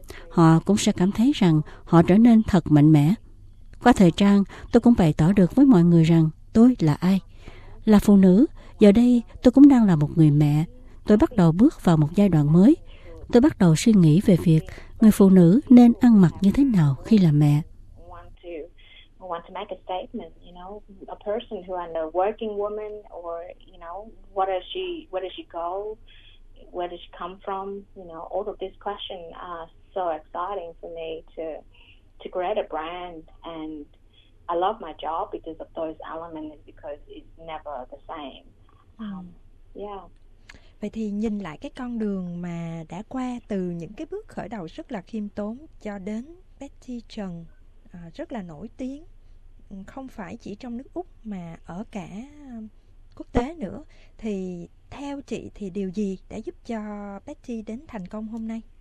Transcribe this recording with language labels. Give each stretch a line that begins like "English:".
Vietnamese: Họ cũng sẽ cảm thấy rằng họ trở nên thật mạnh mẽ. Qua thời trang, tôi cũng bày tỏ được với mọi người rằng tôi là ai. Là phụ nữ, giờ đây tôi cũng đang là một người mẹ. Tôi bắt đầu bước vào một giai đoạn mới. Tôi bắt đầu suy nghĩ về việc người phụ nữ nên ăn mặc như thế nào khi là mẹ.
English: Want to make a statement, you know, a person who is a working woman, or you know, what is she, where does she go, where does she come from, you know, all of these questions are so exciting for me to create a brand. And I love my job because of those elements, because it's never the same.
Vietnamese: Vậy thì nhìn lại cái con đường mà đã qua, từ những cái bước khởi đầu rất là khiêm tốn cho đến Betty Trần rất là nổi tiếng, không phải chỉ trong nước Úc mà ở cả quốc tế nữa, thì theo chị thì điều gì đã giúp cho Betty đến thành công hôm nay?